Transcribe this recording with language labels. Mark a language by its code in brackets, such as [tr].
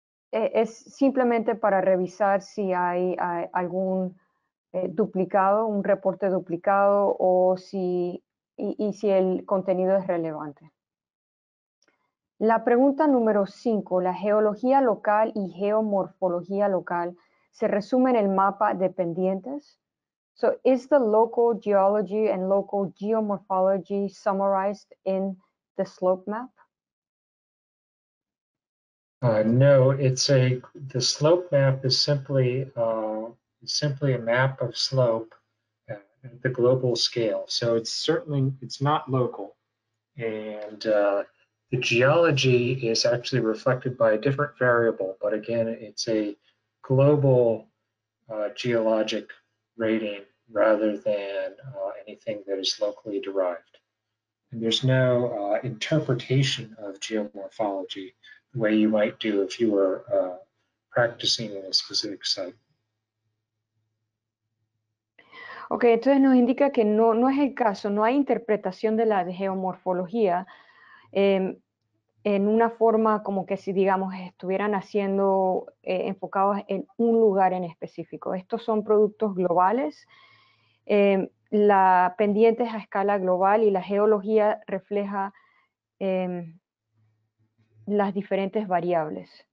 [es] Es simplemente para revisar si hay algún duplicado, un reporte duplicado, o si y si el contenido es relevante. La pregunta número 5, la geología local y geomorfología local, ¿se resume en el mapa de pendientes? [en] So, is the local geology and local geomorphology summarized in the slope map? No, the slope map is simply a map of slope at the global scale. So, it's not local. And the geology is actually reflected by a different variable, but again, it's a global geologic rating rather than anything that is locally derived. And there's no interpretation of geomorphology the way you might do if you were practicing in a specific site. [es] Okay, entonces nos indica que no es el caso, no hay interpretación de la geomorfología en una forma como que si, digamos, estuvieran haciendo enfocados en un lugar en específico. Estos son productos globales. La pendiente es a escala global y la geología refleja las diferentes variables.